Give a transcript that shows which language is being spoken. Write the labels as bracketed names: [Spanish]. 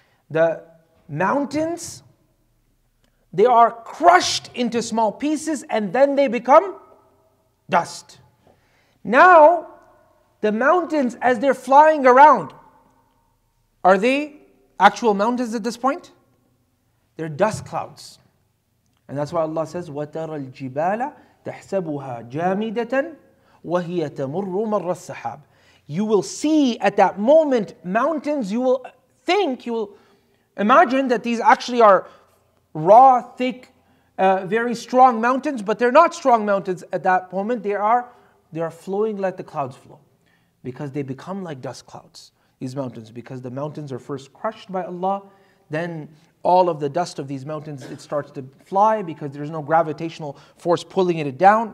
[English] The mountains, they are crushed into small pieces and then they become dust. Now, the mountains, as they're flying around, are they actual mountains at this point? They're dust clouds. And that's why Allah says, [Arabic] وَتَرَى الْجِبَالَ تَحْسَبُهَا جَامِدَةً وَهِيَ تَمُرُّ مَرَّ السَّحَابِ. [English] You will see at that moment mountains, you will think, you will imagine that these actually are raw, thick, very strong mountains, but they're not strong mountains at that moment. They are flowing like the clouds flow, because they become like dust clouds, these mountains, because the mountains are first crushed by Allah, then all of the dust of these mountains, it starts to fly because there's no gravitational force pulling it down.